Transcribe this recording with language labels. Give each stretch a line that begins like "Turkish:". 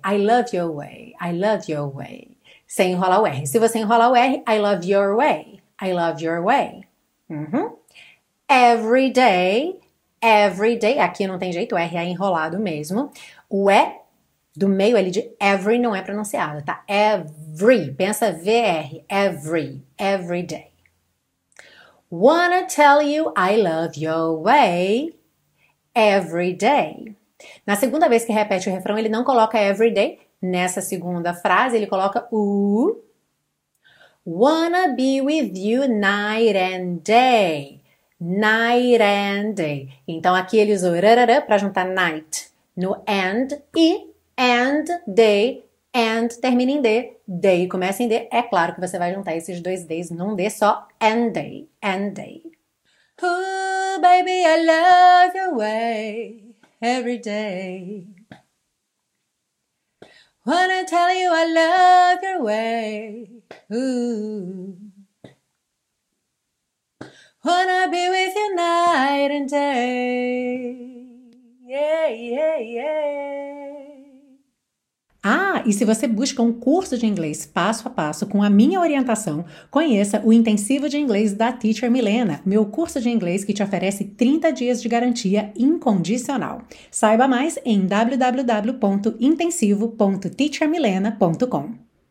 English: I love your way. I love your way.
Portuguese: Sem enrolar o R. Se você enrolar o R,
English: I love your way. I love your way. Uhum. Every day. Every day.
Portuguese: Aqui não tem jeito. O R é enrolado mesmo. O E do meio ali de every não é pronunciado, tá?
English: Every. Pensa VR. Every. Every day. Wanna tell you I love your way. Every day.
Portuguese: Na segunda vez que repete o refrão, ele não coloca
English: every day.
Portuguese: Nessa segunda frase, ele coloca o.
English: Wanna be with you night and day. Night and day.
Portuguese: Então, aqui ele usou rarara para juntar night no and e and day. And termina em D. Day começa em D. É claro que você vai juntar esses dois Ds num D só.
English: And day. And day. Ooh, baby, I love your way, every day. Wanna tell you I love your way, ooh. Wanna be with you night and day, yeah, yeah, yeah.
Portuguese: Ah, e se você busca um curso de inglês passo a passo com a minha orientação, conheça o Intensivo de Inglês da Teacher Milena, meu curso de inglês que te oferece 30 dias de garantia incondicional. Saiba mais em www.intensivo.teachermilena.com.